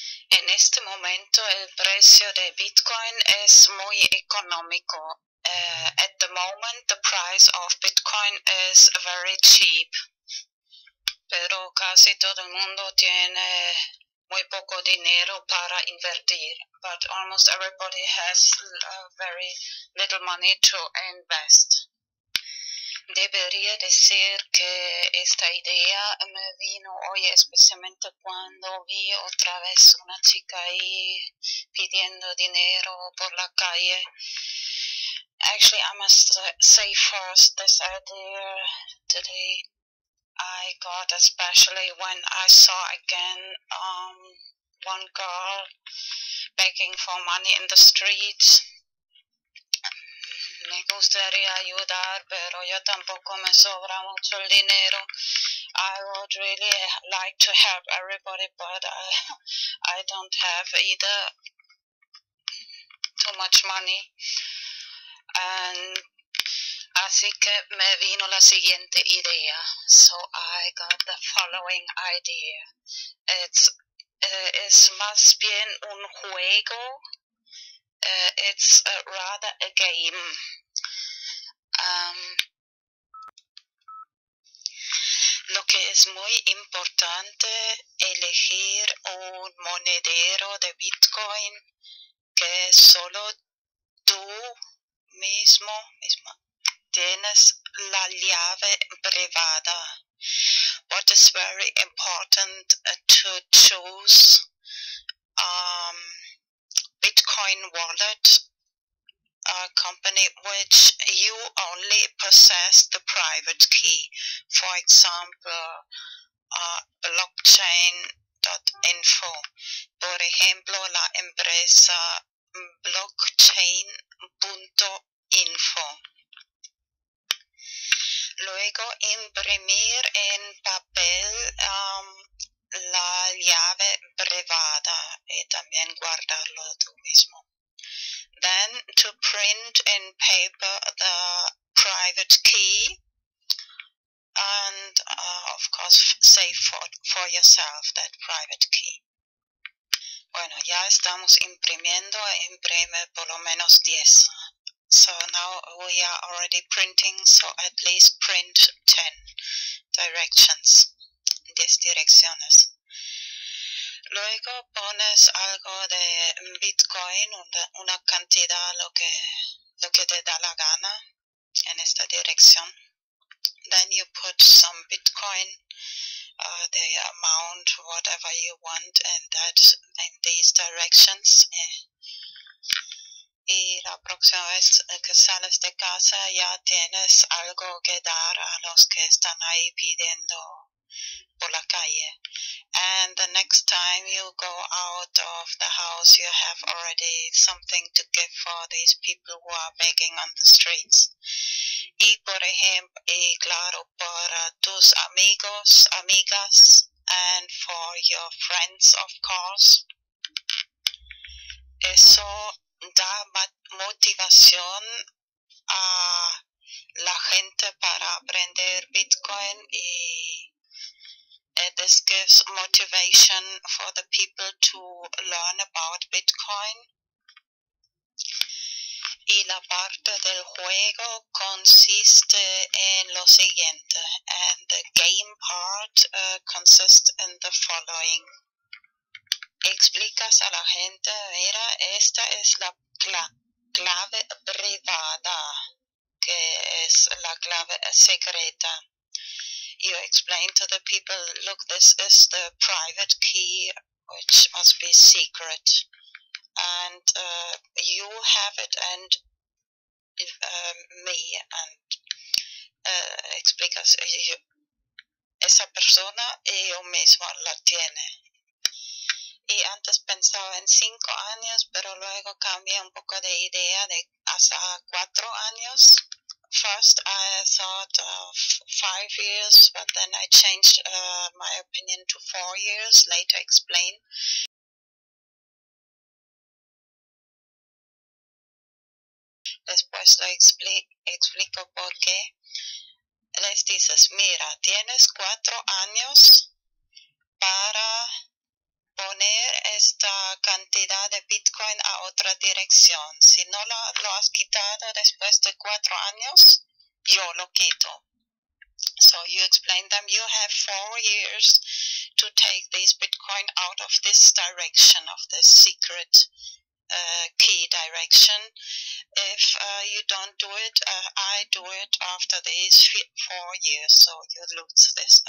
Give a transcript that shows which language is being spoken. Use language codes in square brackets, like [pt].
[es] En este momento el precio de Bitcoin es muy económico. [en] At the moment the price of Bitcoin is very cheap. [es] Pero casi todo el mundo tiene muy poco dinero para invertir. [en] But almost everybody has very little money to invest. [es] Debería decir que esta idea me vino hoy, especialmente cuando vi otra vez una chica ahí pidiendo dinero por la calle. [en] Actually, I must say first this idea today I got, especially when I saw again one girl begging for money in the streets. [es] Me gustaría ayudar, pero yo tampoco me sobra mucho el dinero. [en] I would really like to help everybody, but I don't have either too much money. [es] And así que me vino la siguiente idea. [en] So I got the following idea. It's [es] más bien un juego. [en] It's rather a game. [es] Lo que es muy importante, elegir un monedero de Bitcoin que solo tú mismo tienes la llave privada. [en] What is very important to choose Bitcoin wallet, a company which you only possess the private key. For example, blockchain.info. [es] Por ejemplo, la empresa blockchain.info. Luego, imprimir en papel la llave privada y también guardarlo tú mismo. [en] Then to print in paper the private key and of course save for yourself that private key. [es] Bueno, ya estamos imprimiendo, imprime por lo menos 10. [en] So now we are already printing, so at least print 10 directions, [es] 10 direcciones. Luego pones algo de Bitcoin, una cantidad, lo que te da la gana en esta dirección. [en] Then you put some Bitcoin, the amount, whatever you want, and that in these directions. [es] Y la próxima vez que sales de casa ya tienes algo que dar a los que están ahí pidiendo por la calle. [en] And the next time you go out of the house, you have already something to give for these people who are begging on the streets. [es] Y por ejemplo, y claro, para tus amigos, amigas, [en] and for your friends, of course. [es] Eso da motivación a la gente para aprender Bitcoin y [en] this gives motivation for the people to learn about Bitcoin. [es] Y la parte del juego consiste en lo siguiente. [en] And the game part consists in the following. [es] Explicas a la gente, mira, esta es la clave privada, que es la clave secreta. [en] You explain to the people, look, this is the private key, which must be secret. And you have it and me. [es] And explicas, esa persona y yo mismo la tiene. Y antes pensaba en 5 años, pero luego cambié un poco de idea de hasta 4 años. [en] First, I thought of 5 years, but then I changed my opinion to 4 years, later explain. [es] Después lo explico por qué. Les dices, mira, tienes 4 años para poner esta cantidad de Bitcoin a otra dirección. Si no lo has quitado después de 4 años, yo lo quito. [en] So you explain them, you have 4 years to take this Bitcoin out of this direction, of this secret key direction. If you don't do it, I do it after these 4 years, so you lose this.